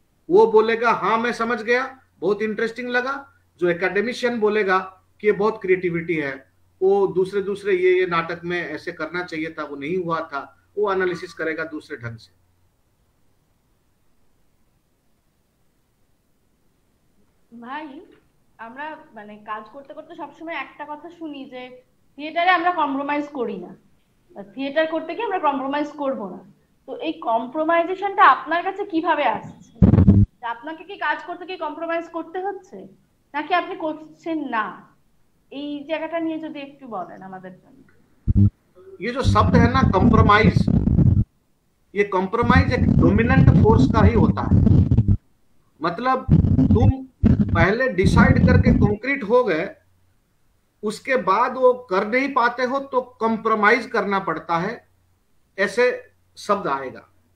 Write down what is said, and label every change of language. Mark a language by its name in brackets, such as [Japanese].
[Hindi] वो बोलेगा हाँ मैं समझ गया, बहुत इंटरेस्टिंग लगा। जो एकेडमिशियन बोलेगा कि ये बहुत क्रिएटिविटी है, वो दूसरे दूसरे ये नाटक में ऐसे करना चाहिए था वो नहीं हुआ था, वो एनालिसिस करेगा दूसरे ढंग से। [Bangla] ভাই আমরা মানে কাজ করতে করতে সবসময় একটা কথা শুনি যে থিয়েটারে আমরা কম্প্রোমাইজ করি না, থিয়েটার করতে গিয়ে আমরা কম্প্রোমাইজ করবো না। তো এই কম্প্রোমাইজেশনটা আপনার কাছে কিভাবে আসছে? আপনাকে কি কাজ করতে গিয়ে কম্প্রোমাইজ করতে হচ্ছে নাকি আপনি করছেন না, এই জায়গাটা নিয়ে যদি একটু বলেন আমাদের জন্য। [Hindi] ये जो शब्द है ना कॉम्प्रोमाइज, ये कॉम्प्रोमाइज एक डोमिनेंट फोर्स का ही होता है। मतलब तुम पहले डिसाइड करके कंक्रीट हो गए, उसके बाद वो कर नहीं पाते हो तो कॉम्प्रोमाइज करना पड़ता है, ऐसे शब्द आएगा।